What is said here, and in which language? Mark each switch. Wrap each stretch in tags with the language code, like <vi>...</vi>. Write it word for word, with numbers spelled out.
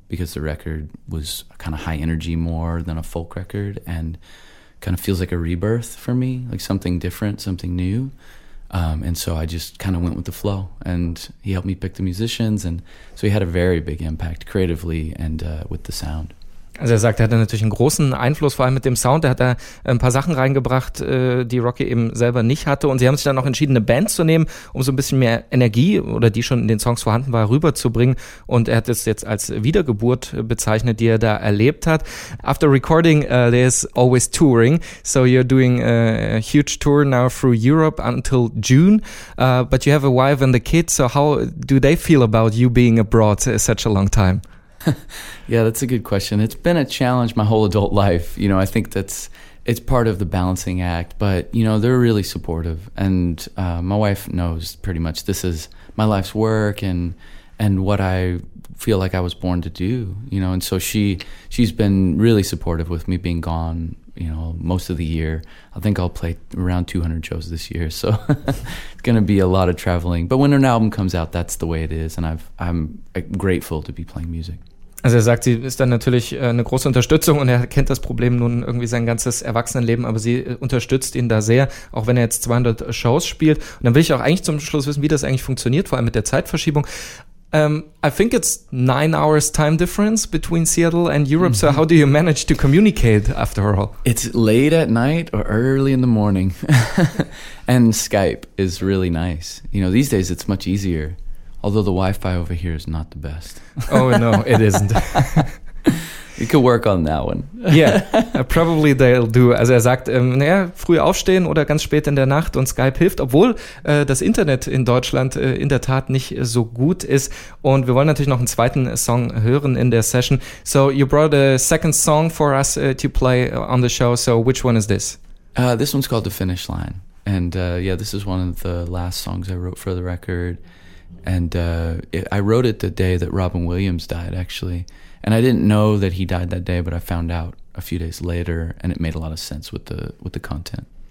<en>because the record was kind of high energy more than a folk record, and kind of feels like a rebirth for me, like something different, something new. Um, and so I just kind of went with the flow, and he helped me pick the musicians. And so he had a very big impact creatively and uh, with the sound.</en> <de>Also er sagt, er hatte natürlich einen großen Einfluss, vor allem mit dem Sound. Er hat da ein paar Sachen reingebracht, die Rocky eben selber nicht hatte. Und sie haben sich dann auch entschieden, eine Band zu nehmen, um so ein bisschen mehr Energie, oder die schon in den Songs vorhanden war, rüberzubringen. Und er hat es jetzt als Wiedergeburt bezeichnet, die er da erlebt hat.</de> <en>After recording, uh, there's always touring. So you're doing a huge tour now through Europe until June. Uh, but you have a wife and a kid. So how do they feel about you being abroad such a long time? Yeah, that's a good question. It's been a challenge my whole adult life. You know, I think that's it's part of the balancing act. But, you know, they're really supportive. And uh, my wife knows pretty much this is my life's work and and what I feel like I was born to do. You know, and so she, she's been really supportive with me being gone, you know, most of the year. I think I'll play around two hundred shows this year. So it's going to be a lot of traveling. But when an album comes out, that's the way it is. And I've, I'm grateful to be playing music.</en> <de>Also er sagt, sie ist dann natürlich eine große Unterstützung, und er kennt das Problem nun irgendwie sein ganzes Erwachsenenleben, aber sie unterstützt ihn da sehr, auch wenn er jetzt zweihundert Shows spielt. Und dann will ich auch eigentlich zum Schluss wissen, wie das eigentlich funktioniert, vor allem mit der Zeitverschiebung.</de> <en>Um, I think it's nine hours time difference between Seattle and Europe. Mm-hmm. So how do you manage to communicate after all? It's late at night or early in the morning. And Skype is really nice. You know, these days it's much easier. Although the Wi-Fi over here is not the best. Oh, no, it isn't. You could work on that one. Yeah, uh, probably they'll do.</en> <de>Also er sagt, ähm, naja, früh aufstehen oder ganz spät in der Nacht, und Skype hilft, obwohl äh, das Internet in Deutschland äh, in der Tat nicht äh, so gut ist. Und wir wollen natürlich noch einen zweiten Song hören in der Session.</de> <en>So you brought a second song for us uh, to play on the show. So which one is this? Uh, this one's called The Finish Line. And uh, yeah, this is one of the last songs I wrote for the record. And uh, it, I wrote it the day that Robin Williams died, actually. And I didn't know that he died that day, but I found out a few days later, and it made a lot of sense with the with the content.</en>